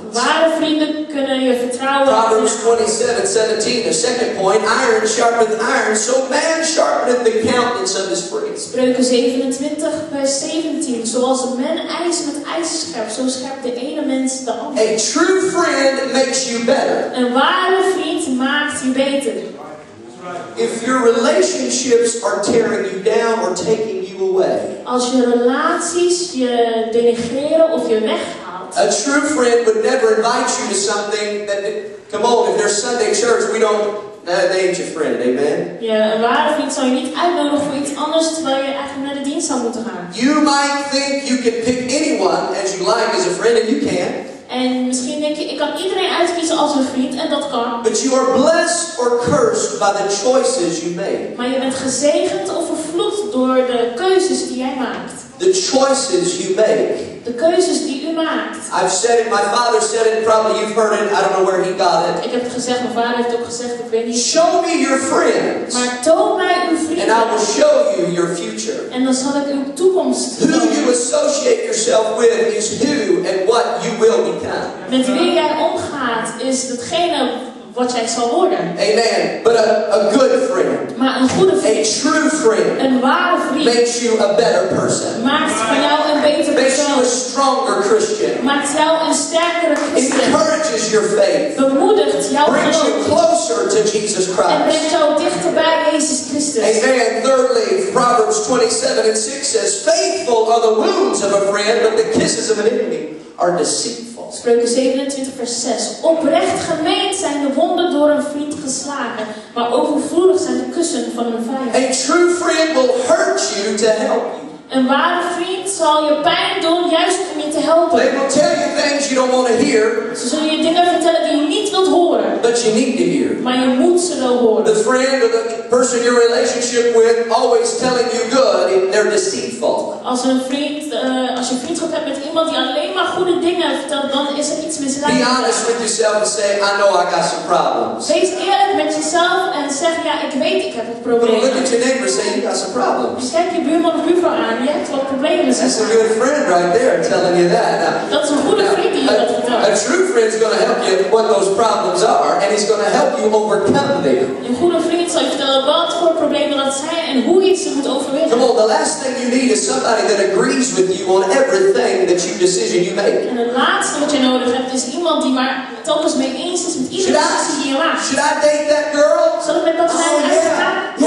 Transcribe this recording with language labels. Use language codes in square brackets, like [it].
[nl] Ware vrienden kunnen je vertrouwen. [en] Proverbs 27:17, the second point, iron sharpeneth iron, so man sharpeneth the countenance of his friends. [nl] Spreuken 27:17, zoals een man ijzer met ijzer scherpt, zo scherpt de ene mens de andere. [en] A true friend makes you better. [nl] Een ware vriend maakt je beter. [en] If your relationships are tearing you down or taking you away. [nl] Als je relaties je denigreren of je weghalen. [en] A true friend would never invite you to something that, come on, if there's Sunday church, we don't, they ain't your friend, amen? [nl] Ja, een ware vriend zou je niet uitnodigen voor iets anders, terwijl je eigenlijk naar de dienst zou moeten gaan. [en] You might think you can pick anyone as you like as a friend, and you can. [nl] En misschien denk je, ik kan iedereen uitkiezen als een vriend, en dat kan. [en] But you are blessed or cursed by the choices you make. [nl] Maar je bent gezegend of vervloekt door de keuzes die jij maakt. [en] The choices you make. [nl] De keuzes die u maakt. [en] I've said it, my father said it, probably you've heard it, I don't know where he got it. [nl] Ik heb het gezegd, mijn vader heeft ook gezegd, ik weet niet. [en] Show me your friends. [nl] Maar toon mij uw vrienden. [en] And I will show you your future. [nl] En dan zal ik uw toekomst zien. [en] Who you associate yourself with is who and what you will become. [nl] Met wie jij omgaat is hetgene wat jij zal worden. [en] Amen. But a good friend. [nl] Maar een goede vriend. [en] A true friend. [nl] Een ware vriend. [en] Makes you a better person. [nl] Maakt van jou een beter persoon. [en] Makes you a stronger Christian. [nl] Maakt jou een sterkere Christen. [en] Encourages your faith. [nl] Bemoedigt jouw geloof. [en] Brings you closer to Jesus Christ. [nl] En brengt jou dichter bij Jezus Christus. [en] Amen. Thirdly, Proverbs 27:6 says, faithful are the wounds of a friend, but the kisses of an enemy are deceitful. [nl] Spreuken 27:6. Oprecht gemeend zijn de wonden door een vriend geslagen, maar overvloedig zijn de kussen van een vijand. [en] A true friend will hurt you to help you. [nl] Een ware vriend zal je pijn doen juist om je te helpen. [en] They will tell you things you don't want to hear. [nl] Ze zullen je dingen vertellen die je niet wilt horen. [en] But you need to hear. [nl] Maar je moet ze wel horen. [en] The friend or the person you're in relationship with always telling you good, they're deceitful. [nl] Als een vriend, als je vriendschap hebt met iemand die alleen maar goede dingen vertelt, dan is er iets misleidend. [en] Be honest with yourself and say, I know I got some problems. [nl] Wees eerlijk met jezelf en zeg, ja, ik weet, ik heb een probleem. [en] Look at your neighbor and say, you got some problems. [nl] Kijk je buurman of buurvrouw aan. [en] That's a good friend right there telling you that. [nl] Dat is een goede vriend die je dat vertelt. [en] A true friend is going to help you what those problems are, and he's going to help you overcome them. [nl] Een goede vriend zal je vertellen wat voor problemen dat zijn en hoe je ze moet overwinnen. [en] Come on, the last thing you need is somebody that agrees with you on everything that you decision you make. [nl] En het laatste wat je nodig hebt is iemand die maar telkens mee eens is met iedere beslissing die je maakt. [en] Should I date that girl? [nl] Zal ik met dat meisje gaan?